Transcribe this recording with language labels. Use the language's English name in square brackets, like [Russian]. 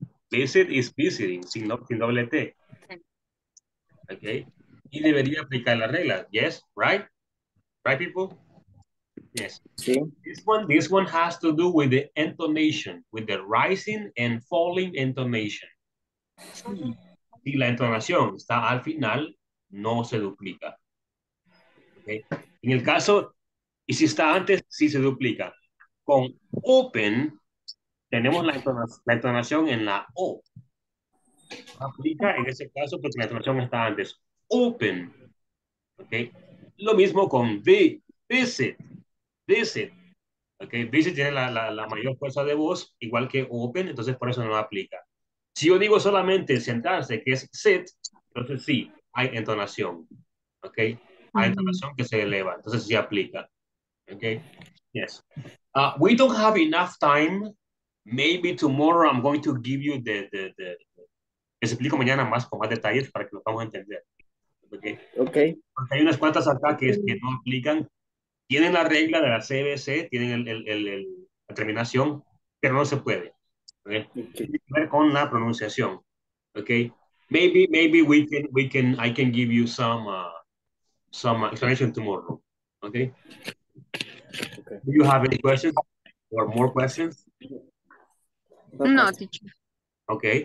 [English] Visit is visiting, [Spanish] sin doble T. [English] Ok. [Spanish] Y debería aplicar la regla. [English] Yes, right? Right, people? Yes. [Spanish] Sí. [English] This one has to do with the intonation, with the rising and falling intonation. [Spanish] Si la entonación está al final, no se duplica. Okay. En el caso, y si está antes, sí se duplica. Con open, tenemos la entonación en la O. Aplica en ese caso porque la entonación está antes. Open. Okay. Lo mismo con visit. Visit. Okay. Visit tiene la mayor fuerza de voz, igual que open, entonces por eso no aplica. Si yo digo solamente sentarse, que es sit, entonces sí, hay entonación. ¿Ok? a entonación que se eleva. Entonces, sí aplica. Okay. Yes. [English] We don't have enough time. Maybe tomorrow I'm going to give you the [Spanish] les explico mañana más con más detalles para que lo podamos entender. [English] Okay. Okay. [Spanish] Porque hay unas cuantas acá que no aplican. Tienen la regla de la CBC, tienen el la terminación, pero no se puede. Okay. Tiene que ver con la pronunciación. Okay. [English] Maybe I can give you some explanation tomorrow. Okay. Okay. Do you have any questions or more questions? No, teacher. Okay.